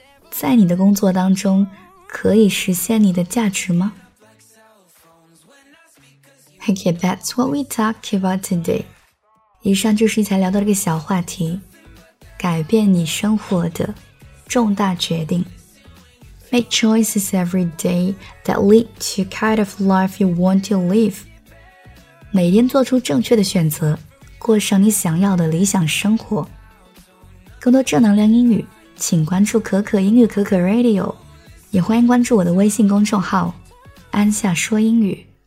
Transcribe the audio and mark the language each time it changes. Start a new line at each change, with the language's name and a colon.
Chinese: 在你的工作当中，可以实现你的价值吗？
English: Okay, that's what we talk about today.
Chinese: 以上就是一起聊到这个小话题，改变你生活的重大决定。
English: Make choices every day that lead to kind of life you want to live.
Chinese: 每天做出正确的选择，过上你想要的理想生活。更多正能量英语，请关注可可英语可可 Radio， 也欢迎关注我的微信公众号安夏说英语。